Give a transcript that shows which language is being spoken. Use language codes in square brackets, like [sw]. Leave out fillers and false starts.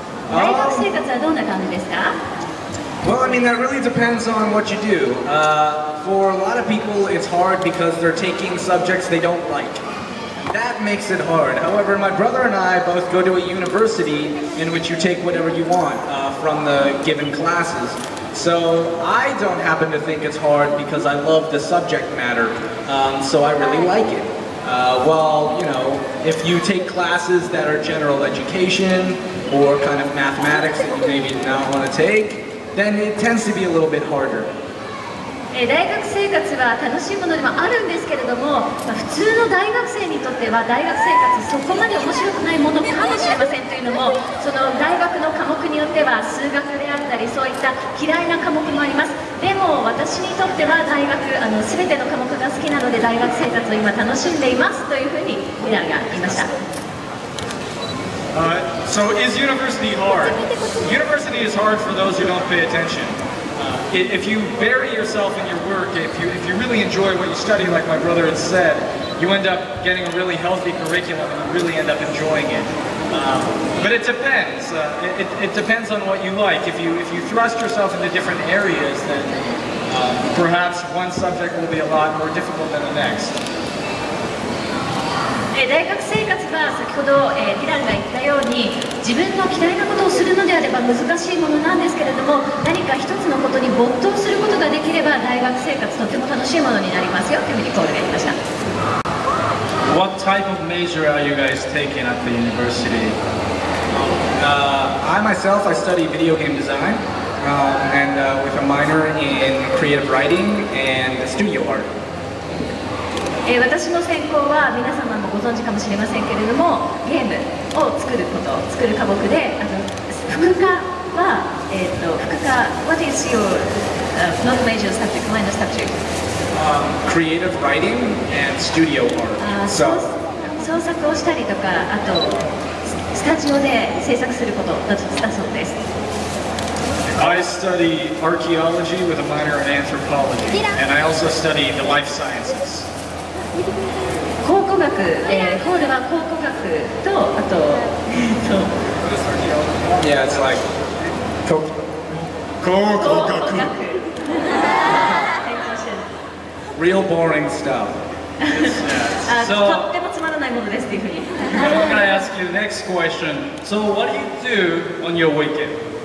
[ja] 大学生活はどんな感じですか? [en] Well, I mean, that really depends on what you do. For a lot of people, it's hard because they're taking subjects they don't like. That makes it hard. However, my brother and I both go to a university in which you take whatever you want from the given classes. So I don't happen to think it's hard because I love the subject matter, so I really like it. Well, you know, if you take classes that are general education or kind of mathematics that you maybe do not want to take, then it tends to be a little bit harder. [ja] 大学生活は楽しいものでもあるんですけれども、まあ、普通の大学生にとっては大学生活そこまで面白くないものかもしれませんというのも、その大学の科目によっては数学であったりそういった嫌いな科目もあります。でも私にとっては大学全ての科目が好きなので大学生活を今楽しんでいますというふうにミラーが言いました。 [en] So is university hard? University is hard for those who don't pay attention. If you bury yourself in your work, if you really enjoy what you study, like my brother had said, you end up getting a really healthy curriculum and you really end up enjoying it. But it depends. It depends on what you like. If you thrust yourself into different areas, then perhaps one subject will be a lot more difficult than the next. [ja] 大学生活は先ほどディランが言ったように自分の嫌いなことをするのであれば難しいものなんですけれども、何か一つのことに没頭することができれば大学生活とても楽しいものになりますよというふうにコールが言いました。 [en] What type of major are you guys taking at the university? I myself, I study video game design and with a minor in creative writing and studio art. [ja] 私の専攻は皆様もご存知かもしれませんけれども、ゲームを作ること、作る科目で、副科は [en] What is your not major subject, minor subject? Creative writing and studio art. [ja] 創作をしたりとか、あとスタジオで制作することだそうです。 [en] I study archaeology with a minor in anthropology, and I also study the life sciences. [ja] 考古学、ホールは考古学とあと、 [en] yeah, it's like [ja] 考古学 [en] real boring stuff. [ja] とってもつまらないものですっていうふうに。 [en] I'm gonna ask you the next question. So, what do you do on your weekend?